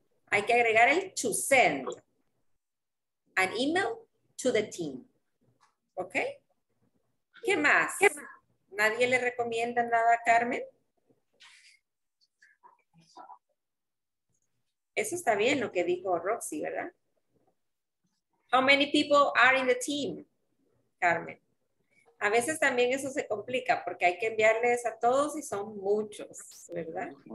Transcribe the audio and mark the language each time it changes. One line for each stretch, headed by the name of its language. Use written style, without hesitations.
Spanish: Hay que agregar el
English: to send an email to the team.
Spanish: Ok. ¿Qué más? ¿Qué más? ¿Nadie le recomienda nada a Carmen? Eso está bien lo que dijo Roxy, ¿verdad?
English: How many people are in the team, Carmen?
Spanish: A veces también eso se complica porque hay que enviarles a todos y son muchos, ¿verdad?